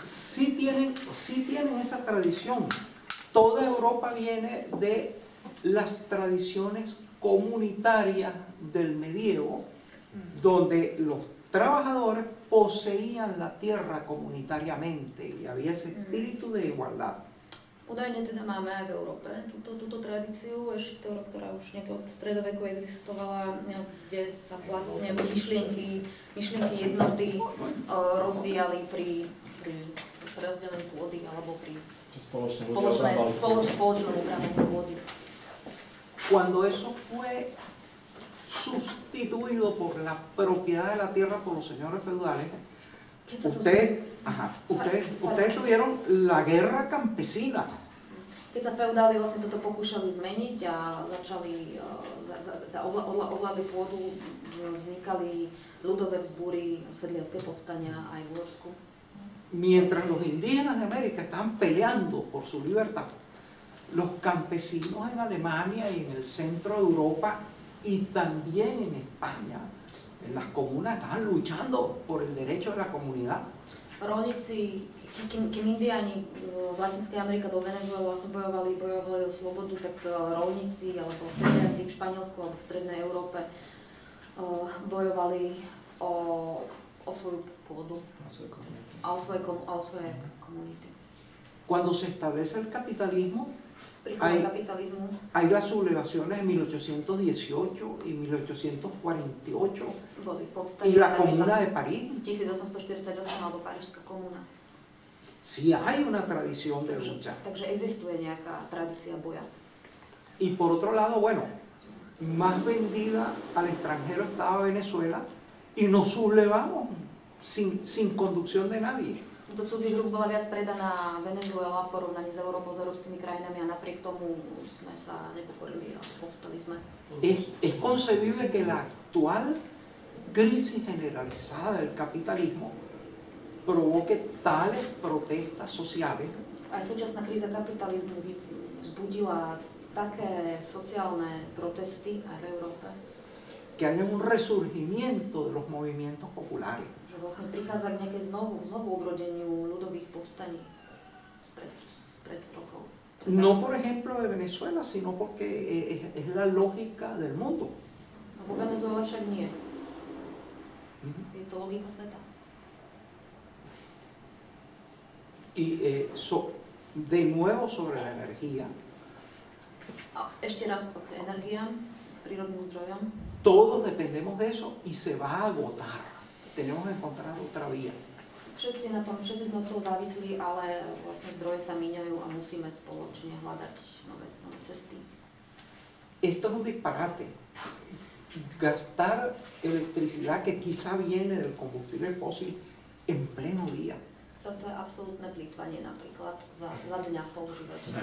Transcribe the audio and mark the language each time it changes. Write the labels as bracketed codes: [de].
[es] Sí tienen esa tradición. Toda Europa viene de las tradiciones comunitarias del medievo, donde los trabajadores poseían la tierra comunitariamente y había ese espíritu de igualdad. [sk] Údajne teda máme aj v Európe túto tradíciu, ktorá už nejak od stredoveku existovala, kde sa vlastne myšlienky jednoty rozvíjali pri rozdelení pôdy alebo pri spoločnom upravení pôdy. [es] Cuando eso fue sustituido por la propiedad de la tierra por los señores feudales, ustedes tuvieron la guerra campesina. [sk] Keď sa feudáli vlastne toto pokúšali zmeniť a začali ovládli pôdu, vznikali ľudové vzbúry, sedliacke povstania aj v Úorsku. [es] Mientras los indígenas de América estaban peleando por su libertad, los campesinos en Alemania y en el centro de Europa y también en España, en las comunas, estaban luchando por el derecho de la comunidad. [sk] Rolníci, kým Indiáni v Latinskej Amerike do Venezuelu vlastne bojovali o slobodu, tak rolníci alebo sediaci v Španielsku alebo v Strednej Európe bojovali o svoju pôdu a o svoje komunity. [es] Cuando se establece el capitalismo, hay las sublevaciones en 1818 y 1848 y la Comuna de París. [sk] 1848 alebo Parížska komuna. [es] Sí hay una tradición de lucha. [sk] Takže existuje nejaká tradícia boja. [es] Y por otro lado, bueno, más vendida al extranjero estaba Venezuela y nos sublevamos sin conducción de nadie. [sk] Do cudzích rúk bola viac predaná Venezuela v porovnaní s Európou, s európskymi krajinami a napriek tomu sme sa nepokorili a povstali sme. [es] Es concebible que la actual crisis generalizada del capitalismo provoque tales protestas sociales. [sk] Aj súčasná kríza kapitalizmu vzbudila také sociálne protesty aj v Európe. [es] Que haya un resurgimiento de los movimientos populares. [sk] Že vlastne prichádza k nejakej znovu obrodeniu ľudových povstaní spred rokov. [es] No por ejemplo de Venezuela, sino porque es la lógica del mundo. [sk] No po Venezuela však nie. Je to logika sveta. [es] Y eso, de nuevo sobre la energía. [sk] A ešte raz o energiám, prírodným zdrojom. [es] Todos dependemos de eso y se va a agotar. Tenemos que encontrar otra vía. [sk] Všetci na tom, všetci sme toho závislí, ale vlastne zdroje sa míňajú a musíme spoločne hľadať nové cesty. [es] Esto es un disparate. Gastar electricidad que quizá viene del combustible fósil en pleno día. [sk] Toto je absolútne plýtvanie napríklad za dňa používať.